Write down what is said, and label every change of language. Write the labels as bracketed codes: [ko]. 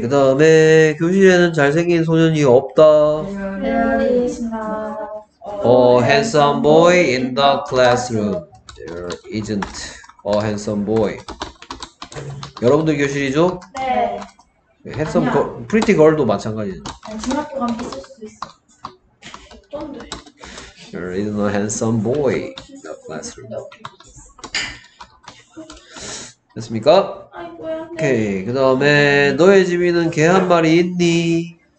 [ko] 그 다음에 교실에는 잘생긴 소년이 없다. [en] There isn't a handsome boy in the classroom. There isn't a handsome boy [ko] 여러분들 교실이죠? 네. 핸섬 거, 프리티 걸도 마찬가지죠. 중학교 가면 있을 수도 있어. 어떤데? [en] There is no handsome boy in the classroom. [ko] 됐습니까? 아이고야. 네. 오케이. 그 다음에 너의 집에는 개 한 마리 있니?